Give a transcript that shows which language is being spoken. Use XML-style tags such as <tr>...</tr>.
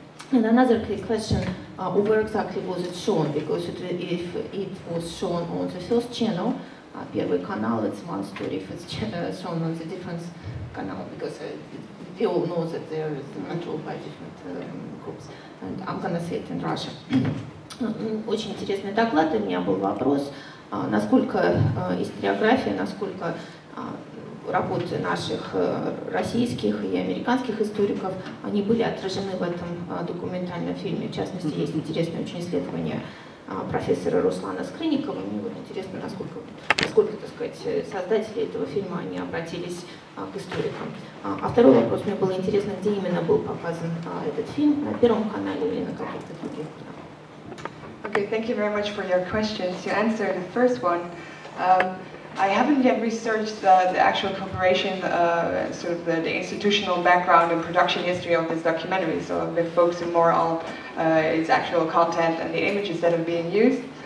<en>And another quick question, where exactly was it shown? Because if it was shown on the first channel,</en> <ru>первый канал,</ru> <en>it's one story. If it's shown on the different canal, because we all know that there is controlled by different groups. And I'm going to say it in Russian.</en> <ru>Очень интересный доклад, и у меня был вопрос. Насколько историография, насколько работы наших российских и американских историков, они были отражены в этом документальном фильме. В частности, есть интересное очень исследование профессора Руслана Скрынникова. Мне вот интересно, насколько, так сказать, создатели этого фильма они обратились к историкам. А второй вопрос, мне было интересно, где именно был показан этот фильм, на Первом канале или на каких-то других каналах.</ru> <en>Okay, thank you very much for your questions. To answer the first one, I haven't yet researched the actual preparation, sort of the institutional background and production history of this documentary, so I've been focusing more on its actual content and the images that are being used.</en>